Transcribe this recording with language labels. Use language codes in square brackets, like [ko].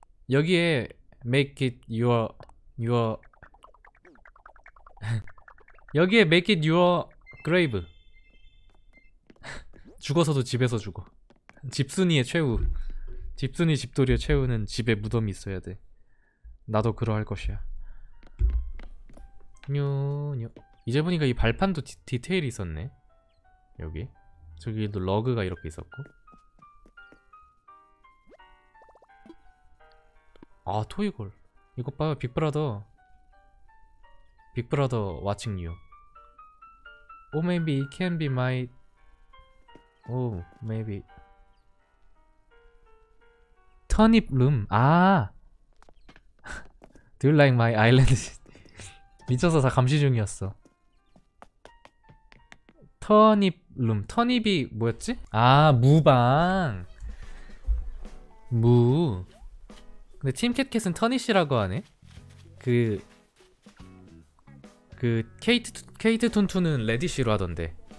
[en] 여기에 make it your 여기에 make it your grave. [ko] 죽어서도 집에서 죽어. 집순이의 최후. 집순이 집돌이의 최후는 집에 무덤이 있어야 돼. 나도 그러할 것이야. 뇨뇨. 이제 보니까 이 발판도 디테일이 있었네. 여기 저기도 러그가 이렇게 있었고. 아, 토이걸 이것 봐요. [en] 빅브라더 watching you. Oh, maybe it can be my maybe turnip room. 아, Do you like my island? [ko] 미쳐서 다 감시 중이었어. 터닙 룸. 터닙이 뭐였지? 아, 무방. 무. 근데 팀캣캣은 터닛이라고 하네. 그 케이트 톤투는 레디쉬로 하던데.